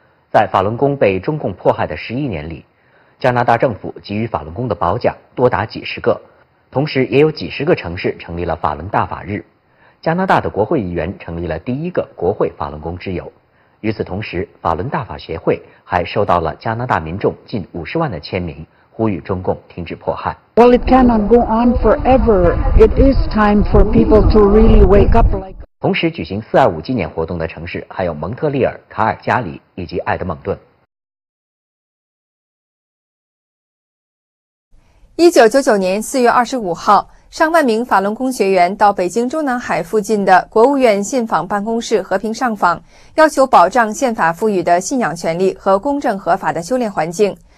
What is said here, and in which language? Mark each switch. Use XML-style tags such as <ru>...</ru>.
<zh>在法轮功被中共迫害的11年里，加拿大政府给予法轮功的褒奖多达几十个，同时也有几十个城市成立了法轮大法日。加拿大的国会议员成立了第一个国会法轮功之友。与此同时，法轮大法协会还收到了加拿大民众近50万的签名，呼吁中共停止迫害。</zh> <en>Well, it cannot go on forever. It is time for people to really wake up.</en> <zh>同时举行四二五纪念活动的城市还有蒙特利尔、卡尔加里以及埃德蒙顿。 1999年4月25号，上万名法轮功学员到北京中南海附近的国务院信访办公室和平上访，要求保障宪法赋予的信仰权利和公正合法的修炼环境。</zh>